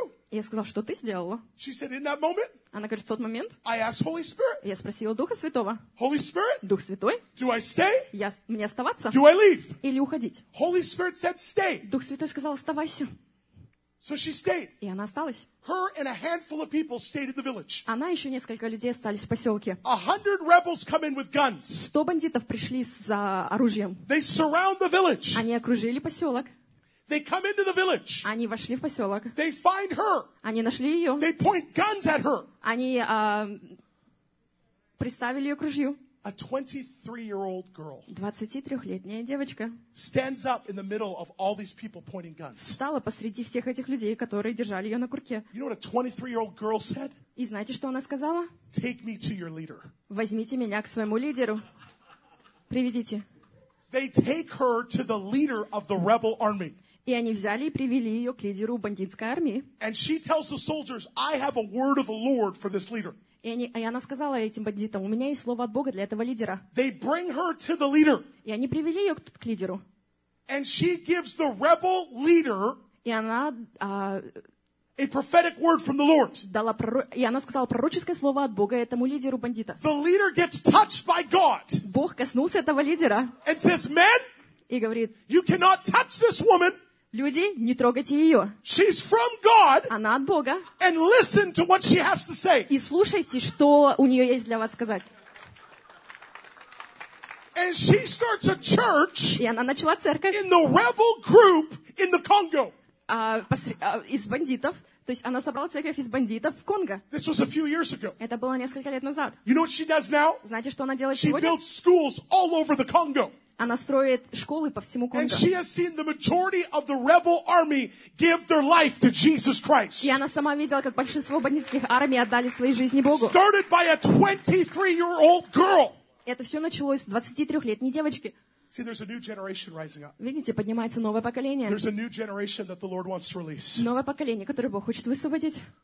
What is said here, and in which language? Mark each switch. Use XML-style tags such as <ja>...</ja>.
<ru>Я сказал, что ты сделала? Она говорит, в тот момент я спросила Духа Святого. Дух Святой, мне оставаться или уходить? Дух Святой сказал, оставайся.</ru> <en>So she stayed.</en> <ru>И она осталась.</ru> <en>Her and a handful of people stayed in the village.</en> <ru>Она еще несколько людей остались в поселке.</ru> <en>100 rebels come in with guns.</en> <ru>100 бандитов пришли с оружием.</ru> <en>They surround the village.</en> <ru>Они окружили поселок.</ru> <en>They come into the village.</en> <ru>Они вошли в поселок.</ru> <en>They find her.</en> <ru>Они нашли ее.</ru> <en>They point guns at her.</en> <ru>Они приставили ее к ружью.</ru> <en>A 23-year-old girl.</en> <ru>23-летняя девочка.</ru> <en>Stands up in the middle of all these people pointing guns.</en> <ru>Встала посреди всех этих людей, которые держали ее на курке.</ru> <en>You know what a 23-year-old girl said?</en> <ru>И знаете, что она сказала?</ru> <en>Take me to your leader.</en> <ru>Возьмите меня к своему лидеру. Приведите.</ru> <en>They take her to the leader of the rebel army.</en> <ru>И они взяли и привели ее к лидеру бандитской армии.</ru> <en>And she tells the soldiers, I have a word of the Lord for this leader.</en> <ru>И она сказала этим бандитам, у меня есть слово от Бога для этого лидера.</ru> <en>They bring her to the leader.</en> <ru>И они привели ее к лидеру.</ru> <en>And she gives the rebel leader a prophetic word from the Lord.</en> <ru>И она сказала пророческое слово от Бога этому лидеру бандита.</ru> <en>The leader gets touched by God.</en> <ru>Бог коснулся этого лидера.</ru> <en>And says, men,</en> <ru>и говорит,</ru> <en>you cannot touch this woman.</en> <ru>Люди, не трогайте ее.</ru> <en>She's from God,</en> <ru>она от Бога.</ru> <en>And listen to what she has to say.</en> <ru>И слушайте, что у нее есть для вас сказать.</ru> <en>And she starts a church.</en> <ru>И она начала церковь.</ru> <en>In the rebel group in the Congo.</en> <ru>Из бандитов. То есть она собрала церковь из бандитов в Конго.</ru> <en>This was a few years ago.</en> <ru>Это было несколько лет назад.</ru> <en>You know what she does now?</en> <ru>Знаете, что она делает сегодня?</ru> <en>She builds schools all over the Congo.</en> <ru>Она строит школы по всему Конго.</ru> <en>And she has seen the majority of the rebel army give their life to Jesus Christ.</en> <ru>И она сама видела, как большинство бандитских армий отдали свои жизни Богу.</ru> <en>Started by a 23-year-old girl.</en> <ru>Это все началось с 23-летней девочки.</ru> <en>See, there's a new generation rising up.</en> <ru>Видите, поднимается новое поколение.</ru> <en>There's a new generation that the Lord wants to release.</en> <ru>Новое поколение, которое Бог хочет высвободить.</ru>